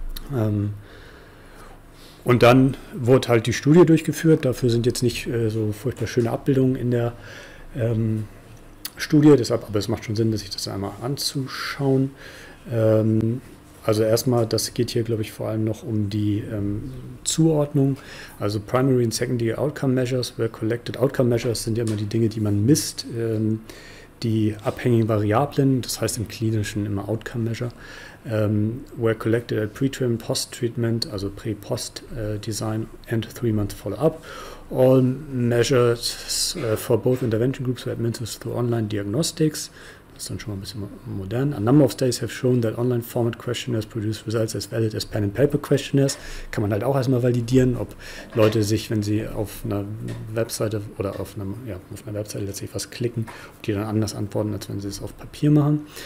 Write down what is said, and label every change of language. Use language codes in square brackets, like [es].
[de] Und dann wurde halt die Studie durchgeführt, dafür sind jetzt nicht so furchtbar schöne Abbildungen in der Studie, deshalb, aber es macht schon Sinn, sich das einmal anzuschauen. Also erstmal, das geht hier, glaube ich, vor allem noch um die Zuordnung. [en] Also Primary and Secondary Outcome Measures were collected. [de] Outcome Measures sind ja immer die Dinge, die man misst, die abhängigen Variablen, das heißt im Klinischen immer Outcome Measure, [en] were collected at pre-treatment, post-treatment, also pre-post-design and 3-month follow-up. All measures for both intervention groups were administered through online diagnostics. [de] Das ist dann schon mal ein bisschen modern. [en] A number of studies have shown that online format questionnaires produce results as valid as pen and paper questionnaires. [de] Kann man halt auch erstmal validieren, ob Leute sich, wenn sie auf einer Webseite oder auf einer Webseite letztlich was klicken, ob die dann anders antworten, als wenn sie es auf Papier machen.